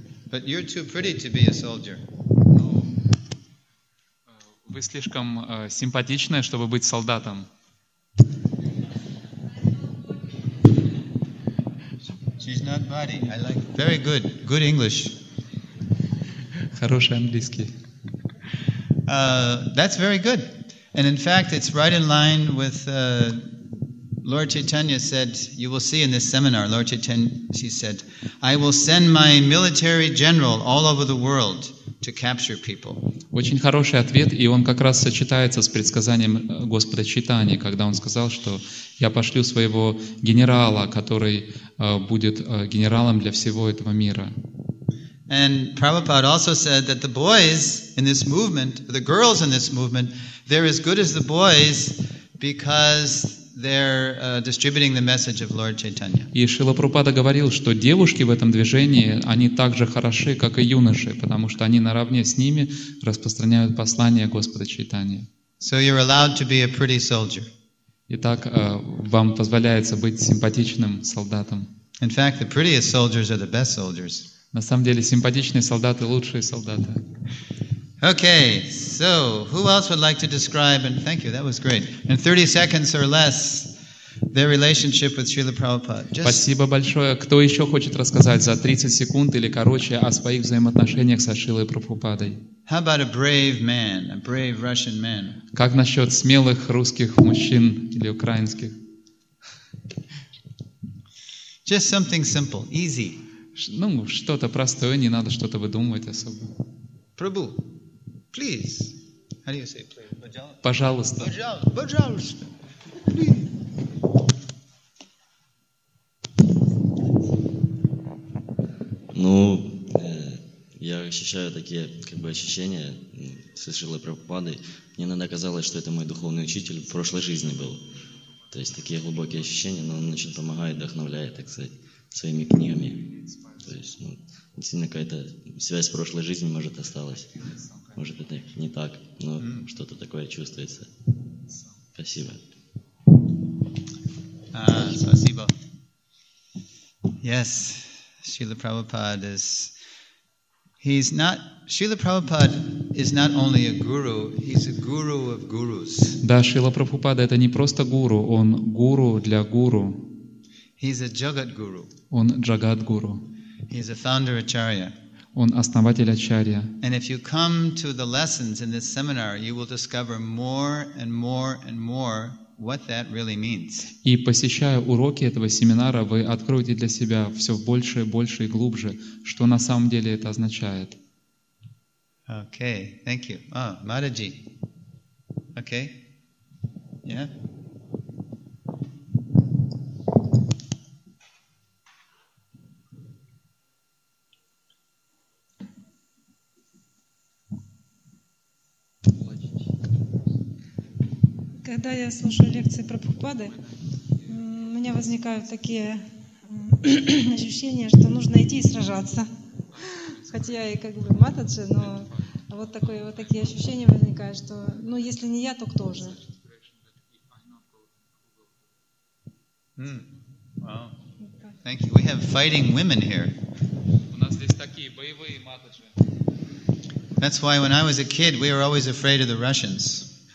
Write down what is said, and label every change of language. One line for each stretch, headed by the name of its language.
English: But you're too pretty to be a soldier.
Russian: Вы слишком симпатичная, чтобы быть солдатом.
English: She's not body. I like very good. Good English.
Russian: Хороший английский.
English: That's very good. And in fact, it's right in line with Lord Chaitanya said, you will see in this seminar, Lord Chaitanya said, I will send my military general all over the world to capture people.
Russian: Очень хороший ответ, и он как раз сочетается с предсказанием Господа Чайтаньи, когда он сказал, что я пошлю своего генерала, который будет генералом для всего этого мира.
English: And Prabhupada also said that the boys in this movement, the girls in this movement, they're as good as the boys because they're distributing the message of Lord Chaitanya.
Russian: И Шрила Прабхупада говорил, что девушки в этом движении, они так же хороши, как и юноши, потому что они наравне с ними распространяют послание Господа Чайтаньи.
English: So you're allowed to be a pretty soldier.
Russian: Итак, вам позволяется быть симпатичным солдатом.
English: In fact, the prettiest soldiers are the best soldiers.
Russian: На самом деле, симпатичные солдаты лучшие солдаты.
English: Okay, so who else would like to describe, and thank you, that was great, in 30 seconds or less, their relationship with Srila Prabhupada? Just...
Russian: Спасибо большое. Кто еще хочет рассказать за 30 секунд или короче о своих взаимоотношениях со Шрилой Прабхупадой?
English: How about a brave man, a brave Russian man?
Russian: Как насчет смелых русских мужчин или украинских?
English: Just something simple, easy.
Russian: Ну, что-то простое, не надо что-то выдумывать особо.
English: Прабу. Please. How do you say please?
Russian: Пожалуйста. Пожалуйста.
English: Please.
Russian: Ну, я ощущаю такие как бы ощущения со Шрилой Прабхупадой. Мне иногда казалось, что это мой духовный учитель в прошлой жизни был. То есть такие глубокие ощущения, но он очень помогает, вдохновляет, так сказать, своими книгами. То есть, ну, действительно какая-то связь с прошлой жизнью, может, осталась. Может, это не так, но что-то такое чувствуется. Спасибо. Спасибо.
English: Yes, Srila Prabhupada is... He's not... Srila Prabhupada is not only a guru, he's a guru of gurus.
Russian: Да, Шрила Прабхупада — это не просто гуру, он гуру для гуру.
English: He's a jagat guru.
Russian: Он джагат гуру.
English: He's a founder acharya.
Russian: Он основатель ачарья.
English: And if you come to the lessons in this seminar, you will discover more and more and more what that really means.
Russian: И посещая уроки этого семинара, вы откроете для себя все больше и больше и глубже, что на самом деле это означает.
English: Okay, thank you. Oh, Mataji. Okay. Yeah.
Russian: Когда я слушаю лекции Прабхупады, у меня возникают такие ощущения, что нужно идти и сражаться. Хотя я и как бы матаджи, но вот, такое, вот такие ощущения возникают, что ну, если не я, то кто же?
English: Thank you. We have fighting women here.
Russian: У нас здесь такие боевые матаджи.
English: That's why when I was a kid, we were always afraid of the Russians.